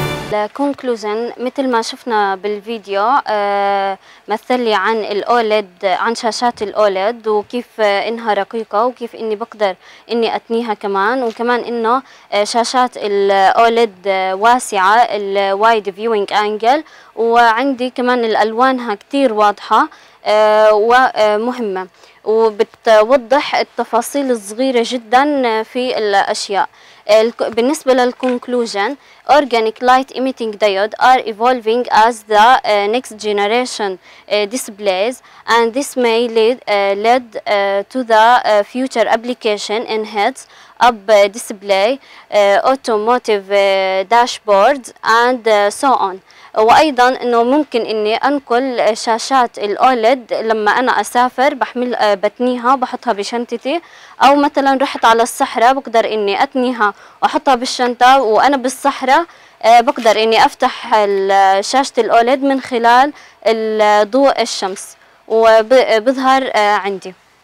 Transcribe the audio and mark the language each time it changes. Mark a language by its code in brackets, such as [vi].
[ar] conclusion مثل ما شفنا بالفيديو مثل لي عن الاولد، عن شاشات الاولد وكيف انها رقيقه وكيف اني بقدر اني اتنيها كمان، وكمان انه شاشات الاولد واسعه الوايد فيوينج انجل، وعندي كمان الالوانها كتير واضحه ومهمه وبتوضح التفاصيل الصغيره جدا في الاشياء. بالنسبة [en] للconclusion organic light emitting diode are evolving as the next generation displays and this may lead to the future application in heads up display automotive dashboards and so on. [ar] وأيضا أنه ممكن أني أنقل شاشات الأوليد لما أنا أسافر بحمل بتنيها بحطها بشنتتي أو مثلا رحت على الصحراء بقدر أني أتنيها وأحطها بالشنطة وأنا بالصحراء بقدر أني أفتح شاشة الأوليد من خلال ضوء الشمس وبظهر عندي.